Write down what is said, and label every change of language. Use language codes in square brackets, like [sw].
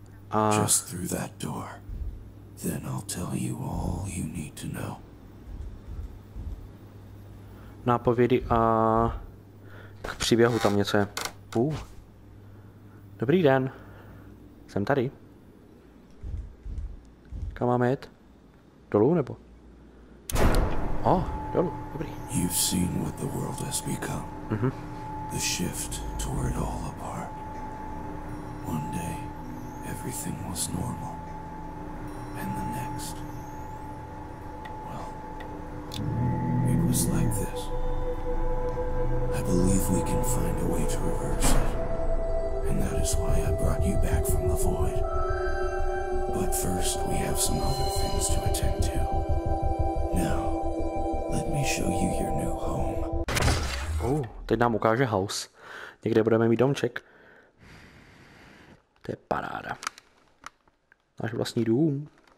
[en] A just through that door, then I'll tell you all you need to know. [cs] Nápovědy a k příběhu tam něco je. Dobrý den, jsem tady. Kam máme jet? Dolů nebo? Dolů, dobrý. [en] You've seen what the world has become. The shift tore it all apart. One day. Everything was normal. And the next... Well... It was like this. I believe we can find a way to reverse it. And that is why I brought you back from the void. But first, we have some other things to attend to. Now, let me show you your new home. [cs] Teď nám ukáže house. Někde budeme mít domček. To je paráda. Náš vlastní dům.